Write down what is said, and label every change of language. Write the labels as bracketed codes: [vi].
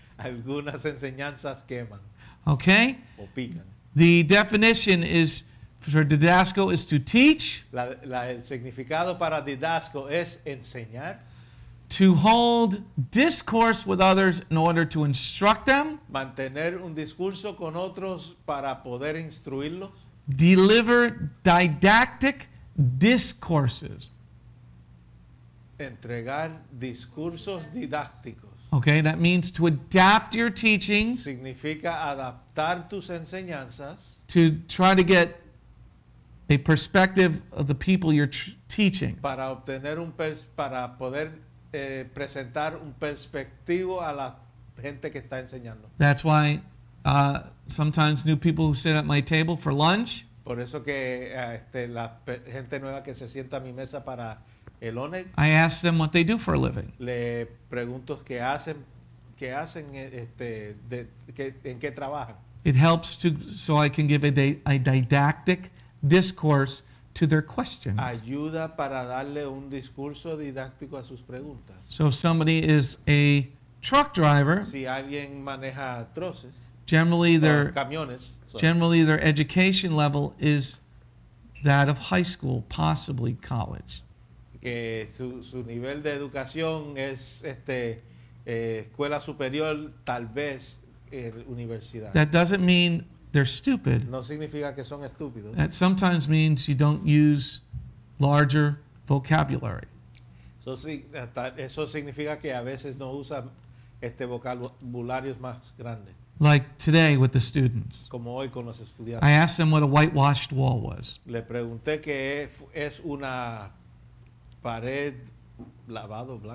[es] Algunas enseñanzas queman. [en] Okay. [es] O pican. [en] The definition is for didasco is to teach. [es] El significado para didasco es enseñar. [en] To hold discourse with others in order to instruct them. [es] Mantener un discurso con otros para poder instruirlos. [en] Deliver didactic discourses. [es] Entregar discursos didácticos. [en] Okay, that means to adapt your teachings. [es] Significa adaptar tus enseñanzas. [en] To try to get a perspective of the people you're teaching. [es] Para obtener un para poder presentar un perspectivo a la gente que está enseñando. [en] That's why sometimes new people who sit at my table for lunch. [es] Por eso que la gente nueva que se sienta a mi mesa para el lunch. [en] I ask them what they do for a living. [es] Le pregunto qué hacen en qué trabajan. [en] It helps to so I can give a didactic discourse to their questions. [es] Ayuda para darle un discurso didáctico a sus preguntas. [en] So if somebody is a truck driver, [es] si alguien maneja troces, [en] generally their [es] camiones, [en] generally their education level is that of high school, possibly college. [es] Que su nivel de educación es escuela superior, tal vez universidad. [en] That doesn't mean they're stupid. [es] No significa que son estúpidos. [en] That sometimes means you don't use larger vocabulary. [es] So, eso significa que a veces no usa vocabularios más grandes. [en] Like today with the students. [es] Como hoy con los estudiantes. [en] I asked them what a whitewashed wall was. [es] Le pregunté que es una pared lavado blanco.